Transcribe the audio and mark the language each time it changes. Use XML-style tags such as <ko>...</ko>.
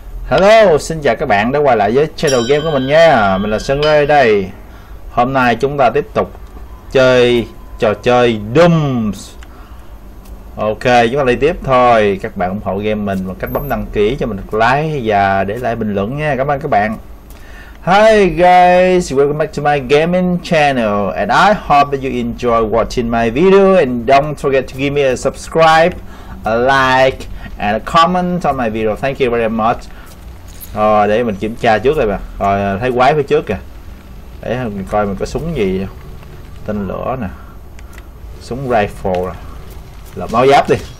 <vi>Hello, xin chào các bạn đã quay lại với channel game của mình nha. Mình là Sơn Lê đây. Hôm nay chúng ta tiếp tục chơi trò chơi Dooms. Ok, chúng ta đi tiếp thôi. Các bạn ủng hộ game mình bằng cách bấm đăng ký cho mình được like và để lại bình luận nha. Cảm ơn các bạn.</vi> <en>Hi guys, welcome back to my gaming channel and I hope that you enjoy watching my video and don't forget to give me a subscribe, a like and a comment on my video. Thank you very much.</en> <vi>Rồi để mình kiểm tra trước đây bạn. Rồi thấy quái phía trước kìa. Để mình coi mình có súng gì không? Tên lửa nè. Súng rifle nè. Lập áo giáp đi.</vi>